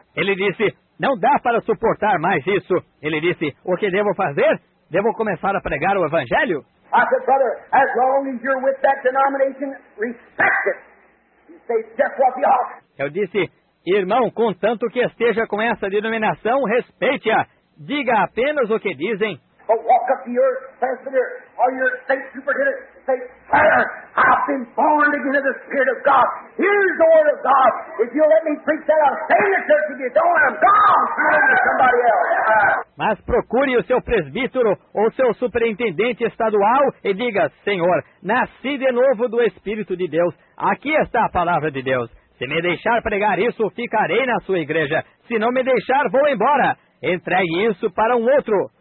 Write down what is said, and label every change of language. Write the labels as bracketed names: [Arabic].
[Portuguese] Ele disse, não dá para suportar mais isso. Ele disse, o que devo fazer? Devo começar a pregar o evangelho? [English] I said, brother, as long as you're with that denomination, respect it. You say just what the offer. [Portuguese] Eu disse, irmão, contanto que esteja com essa denominação, respeite-a. Diga apenas o que dizem. [English] But walk up to your pastor or your state superintendent and say, sir, I've been born again of the Spirit of God. Here's the word of God. If you'll let me preach that, I'll stay in the church. If you don't, I'm gone. Turn to somebody else. [Portuguese] Mas procure o seu presbítero ou seu superintendente estadual e diga, Senhor, nasci de novo do Espírito de Deus. Aqui está a palavra de Deus. Se me deixar pregar isso, ficarei na sua igreja. Se não me deixar, vou embora. Entregue isso para um outro.